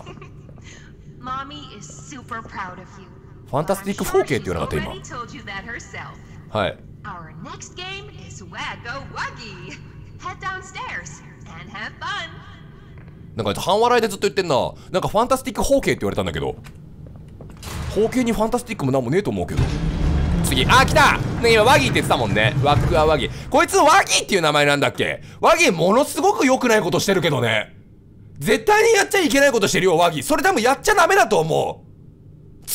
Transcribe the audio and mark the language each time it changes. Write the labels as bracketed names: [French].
[Japanese] ファンタスティックフォーケーって言わなかった今。はい。 [English] Our next game is Wag-O-Wuggy. Head downstairs and have fun. [Japanese] なんか半笑いでずっと言ってんな。なんかファンタスティックホーケーって言われたんだけど、ホーケーにファンタスティックもなんもねえと思うけど。次、あー来た、ね、今ワギーって言ってたもんね。ワクワワギー、こいつワギーっていう名前なんだっけ。ワギーものすごく良くないことしてるけどね。絶対にやっちゃいけないことしてるよワギー。それ多分やっちゃダメだと思う。